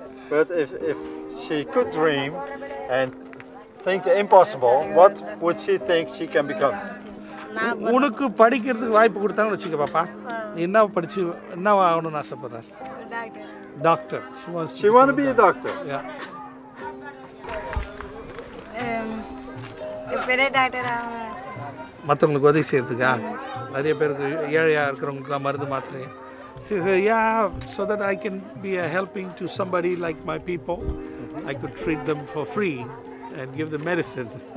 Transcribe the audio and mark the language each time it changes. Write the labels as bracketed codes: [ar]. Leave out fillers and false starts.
[en] But if she could dream and think the impossible, what would she think she can become? [ta] உனக்கு படிக்கிறதுக்கு வாய்ப்பு கொடுத்தாங்க வச்சுக்க பாப்பா. என்ன படிச்சு என்ன ஆகணும்னு ஆசைப்படுற? [en] Doctor. She wants to be a doctor. Yeah. [ta] பெரிய டாக்டர் மற்றவங்களுக்கு உதவி செய்யறதுக்கா? நிறைய பேருக்கு ஏழையா இருக்கிறவங்களுக்குலாம் மருந்து மாத்திரை. [en] She said, yeah, so that I can be a helping to somebody like my people. I could treat them for free and give them medicine.